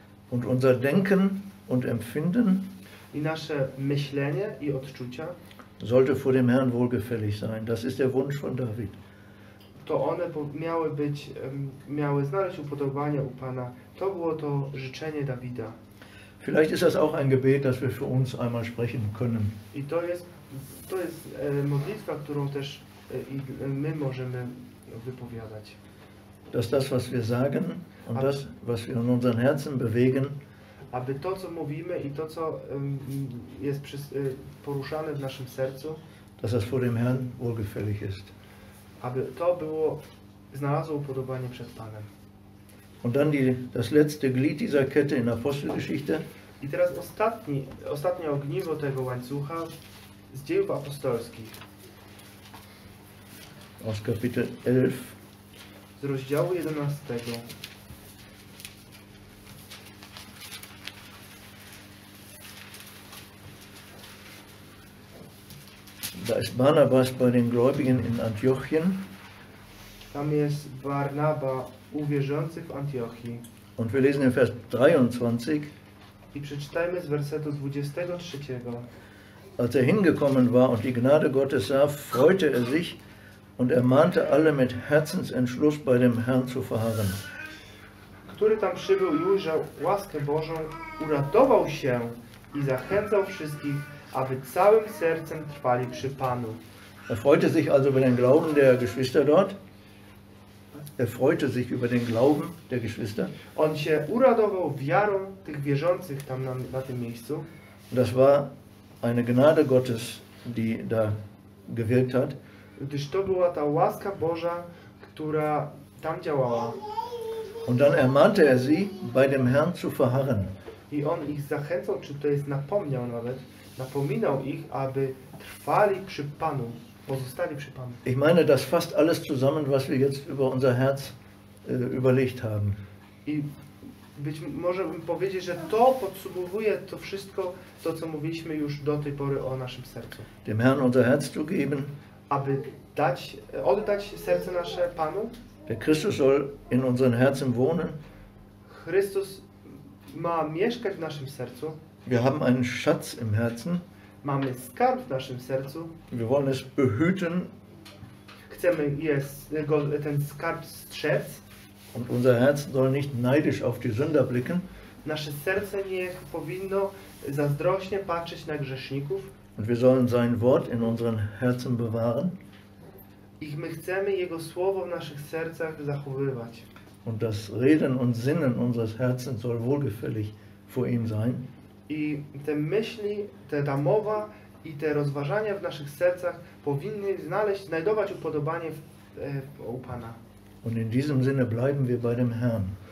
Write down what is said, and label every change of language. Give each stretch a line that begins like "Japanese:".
German: Und unser Denken und Empfinden
Polish: i nasze myślenie i odczucia
German: sollte vor dem Herrn wohlgefällig sein. Das ist der Wunsch von David.
Polish: To one miały być, miały znaleźć upodobanie u Pana. To było to życzenie Dawida.
German: Vielleicht ist das auch ein Gebet, das wir für uns einmal sprechen können.
Polish: I to jest modlitwa, którą też i my możemy wypowiadać.
German: Dass das, was wir sagen und das, was wir in unseren Herzen bewegen,
Polish: aby to, co mówimy i to, co jest poruszane w naszym sercu,
German: dass das vor dem Herrn wohlgefällig ist.
Polish: Aby to było, znalazło upodobanie przed Panem.
German: Und dann das letzte Glied dieser Kette in Apostelgeschichte.
Polish: I teraz ostatnie ogniwo tego łańcucha z Dziejów Apostolskich.
German: Aus Kapitel 11.
Polish: Z rozdziału 11.
German: Da ist Barnabas bei den Gläubigen in Antiochien.
Polish: Tam jest Barnaba u wierzących w Antiochii.
German: Und wir lesen in Vers 23.
Polish: I przeczytajmy z wersetu 23.
German: Als er hingekommen war und die Gnade Gottes sah, freute er sich und ermahnte alle mit Herzensentschluss bei dem Herrn zu verharren.
Polish: Który tam przybył i ujrzał łaskę Bożą, uradował się i zachęcał wszystkich, aby całym sercem trwali przy Panu.
German: Er freute sich also über den Glauben der Geschwister dort. Er freute sich über den Glauben der Geschwister.
Polish: On się uradował wiarą tych wierzących tam na tym miejscu.
German: Das war eine Gnade Gottes, die da gewirkt hat.
Polish: Gdyż to była ta łaska Boża, która tam działała.
German: Und dann ermahnte er sie, bei dem Herrn zu verharren.
Polish: I on ich zachęcał, czy to jest napomniał nawet, napominał ich, aby trwali przy Panu.
German: Ich meine, das fasst alles zusammen, was wir jetzt über unser Herz überlegt haben.
Polish: I być może bym powiedzieć, że to podsumowuje to wszystko, to co mówiliśmy już do tej pory o naszym sercu.
German: Dem Herrn unser Herz zu geben.
Polish: Aby dać, oddać serce nasze Panu.
German: Der Christus soll in unseren Herzen wohnen.
Polish: Chrystus ma mieszkać w naszym sercu.
German: Wir haben einen Schatz im Herzen.
Polish: Mamy skarb w naszym sercu.
German: Wir wollen es behüten.
Polish: Chcemy ten skarb strzec.
German: Und unser Herz soll nicht neidisch auf die Sünder blicken.
Polish: Nasze serce niech powinno zazdrośnie patrzeć na grzeszników.
German: Und wir sollen sein Wort in unseren Herzen bewahren.
Polish: I my chcemy Jego Słowo w naszych sercach zachowywać.
German: Und das Reden und Sinnen unseres Herzens soll wohlgefällig vor ihm sein.
Polish: I te myśli, ta mowa i te rozważania w naszych sercach powinny znajdować upodobanie u Pana.
German: Und in diesem Sinne bleiben wir bei dem Herrn.